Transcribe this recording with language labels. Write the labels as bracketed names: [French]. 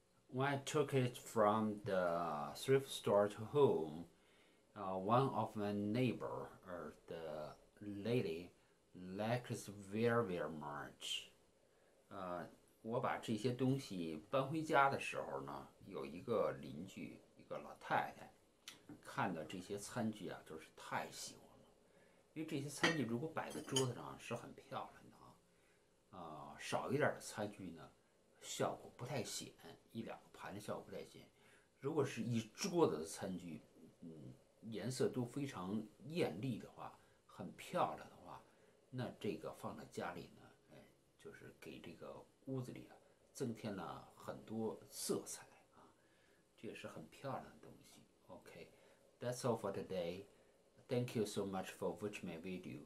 [English] When I took it from the thrift store to home, one of my neighbor or the lady likes very very much. [Chinese] 我把这些东西搬回家的时候呢，有一个邻居，一个老太太，看到这些餐具啊，就是太喜欢了。因为这些餐具如果摆在桌子上是很漂亮的啊，少一点的餐具呢，效果不太显，一两个盘的效果不太显。如果是一桌子的餐具，颜色都非常艳丽的话，很漂亮的话，那这个放在家里呢，就是给这个屋子里啊，增添了很多色彩啊，这也是很漂亮的东西。 [English] Okay, that's all for today. Thank you so much for watching my video.